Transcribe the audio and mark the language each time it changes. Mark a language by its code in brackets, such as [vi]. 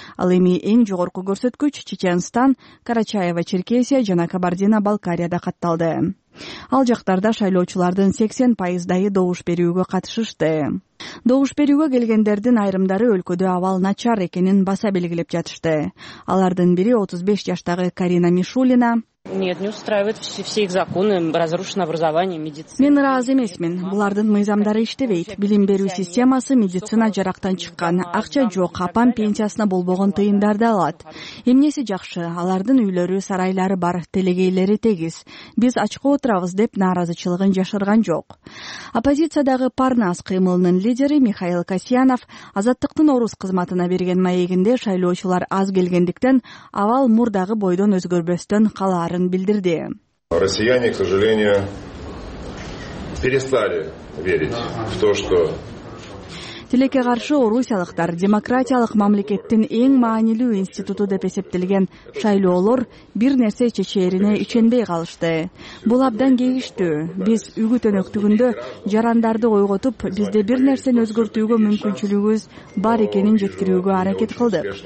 [ky] Ал эми эң жогорку көрсөткүч Чеченстан, Карачаево Черкесия жана Кабардино-Балкарияда катталды. Ал жактарда шайлоочулардын 80% добуш берүүгө катышышты. Добуш берүүгө келгендердин айрымдары өлкөдө абал начар экенин баса белгилеп жатышты. Алардын бири 35 жаштагы Карина Мишулина. [ru] Нет, не устраивает все их законы, разрушено образование, медицина. [ky] Мен разы эмесмин. Булардын мыйзамдары иштебейт. Билим берүү системасы медицина жарактан чыккан, акча жок, апам пенсиясына болбогон тыйындарды алат. Эмнеси жакшы? Алардын үйлөрү, сарайлары бар, телегейлери тегиз. Биз ачка отурабыз деп нааразычылыгын жашырган жок. Оппозициядагы Парнас кыймылынын лидери Михаил Касьянов Азаттыктын орус кызматына берген маегинде шайлоочулар аз келгендиктен авал мурдагы бойдон өзгөрбөстөн кала билдирди. [ru] Россияне, к сожалению, перестали верить в то, что [ky] Тилекке каршы орусиялыктар демократиялык мамлекеттин эң маанилүү институту деп эсептелген шайлоолор бир нерсе чечээрине ичендей калышты. Бул абдан кегиштүү. Биз үгүт өнөктүгүндө жарандарды ойготуп, бизде бир нерсени өзгөртүүгө мүмкүнчүлүгүбүз бар экенин жеткирүүгө аракет кылдык.